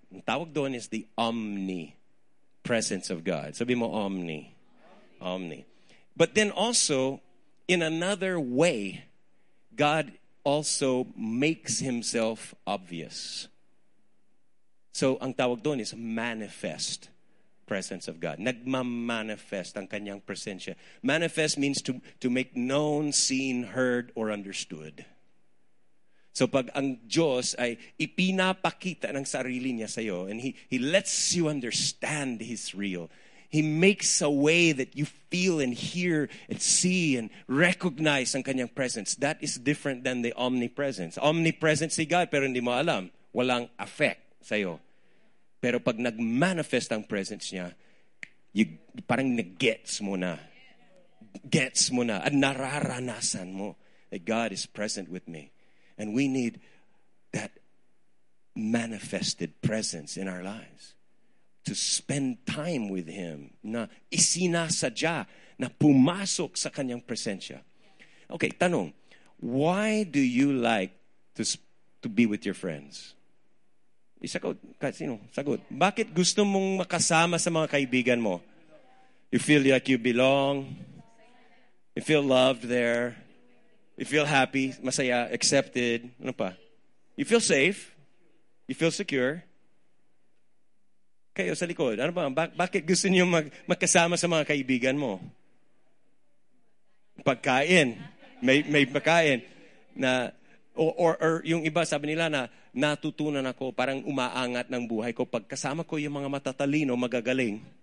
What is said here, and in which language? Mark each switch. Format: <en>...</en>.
<tl>Ang tawag doon</tl> <en>is the omnipresence of God.</en> <tl>Sabi mo,</tl> <en>omni. Omni. But then also, in another way, God also makes himself obvious. So,</en> <tl>ang tawag doon</tl> <en>is manifest presence of God.</en> <tl>Nagmamanifest ang kanyang presensya.</tl> <en>Manifest means to make known, seen, heard, or understood.</en> <tl>So, pag ang Diyos ay ipinapakita ng sarili niya sa'yo,</tl> <en>and he lets you understand he's real, he makes a way that you feel and hear and see and recognize ang kanyang presence. That is different than the omnipresence. Omnipresence si God,</en> <tl>pero hindi mo alam. Walang affect sa'yo. Pero pag nag-manifest ang presence niya, parang nag-gets mo na. Gets mo na. At nararanasan mo</tl> <en>that God is present with me. And we need that manifested presence in our lives. To spend time with Him,</en> <tl>na isinasadya, na pumasok sa kanyang presensya. Okay, tanong,</tl> <en>why do you like to be with your friends?</en> <tl>Isagot, kahit sino, sagot. Bakit gusto mong makasama sa mga kaibigan mo?</tl> <en>You feel like you belong, you feel loved there, you feel happy,</en> <tl>masaya,</tl> <en>accepted, ano pa? You feel safe, you feel secure.</en> <tl>Kayo sa likod, ano ba? Bakit gusto niyo magkasama sa mga kaibigan mo? Pagkain. May pagkain. Na,</tl> <en>or</en> <tl>yung iba, sabi nila na natutunan ako, parang umaangat ng buhay ko. Pagkasama ko yung mga matatalino, magagaling.</tl>